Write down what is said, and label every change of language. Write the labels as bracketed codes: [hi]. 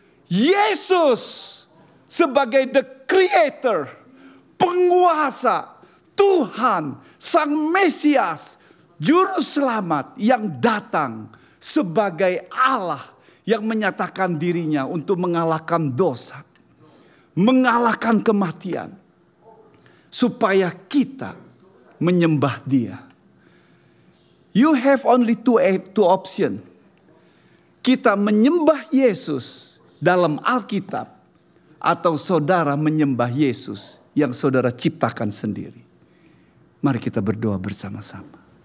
[id] Yesus sebagai [en] the creator, [id] penguasa, Tuhan, sang Mesias, juru selamat yang datang sebagai Allah yang menyatakan dirinya untuk mengalahkan dosa. Mengalahkan kematian. Supaya kita menyembah Dia. [en] You have only two option. [id] Kita menyembah Yesus dalam Alkitab. Atau saudara menyembah Yesus yang saudara ciptakan sendiri. Mari kita berdoa bersama-sama.